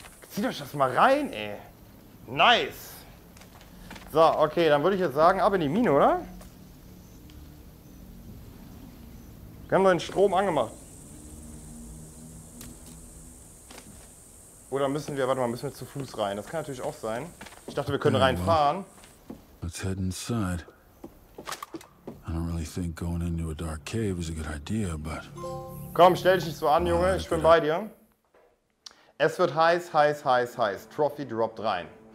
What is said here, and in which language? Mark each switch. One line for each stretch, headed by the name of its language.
German: Zieht euch das mal rein, ey. Nice. So, okay, dann würde ich jetzt sagen, ab in die Mine, oder? Wir haben den Strom angemacht. Oder müssen wir, warte mal, müssen wir zu Fuß rein? Das kann natürlich auch sein. Ich dachte, wir können reinfahren.
English: Let's head inside. I don't really think going into a dark cave is a good idea, but...
German: Komm, stell dich nicht so an, Junge, ich bin bei dir. Es wird heiß, heiß, heiß, heiß. Trophy dropped rein.